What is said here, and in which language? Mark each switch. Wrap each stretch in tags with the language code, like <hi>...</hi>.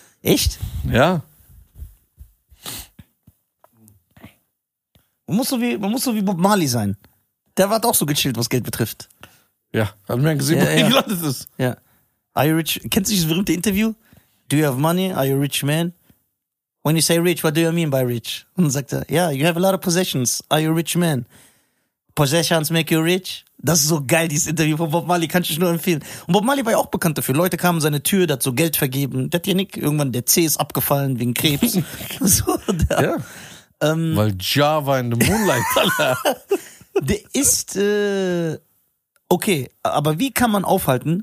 <de>Echt? Ja. Man muss so wie Bob Marley sein. Der war auch so gechillt, was Geld betrifft. Ja, hat man gesehen, wo er gelandet ist.</de> <en>Ja. Are you rich?</en> <de>Kennst du dieses berühmte Interview?</de> <en>Do you have money? Are you a rich man? When you say rich, what do you mean by rich?</en> <de>Und dann sagt er,</de> <en>yeah, you have a lot of possessions. Are you a rich man? Possessions make you rich?</en> <de>Das ist so geil, dieses Interview von Bob Marley. Kann ich nur empfehlen. Und Bob Marley war ja auch bekannt dafür. Leute kamen an seine Tür, der hat so Geld vergeben. Der hat ja nicht irgendwann, der Zeh ist abgefallen wegen Krebs. So, ja. Weil Ja war</de> <en>in the Moonlight.</en> <de>Der ist, okay, aber wie kann man aufhalten?</de>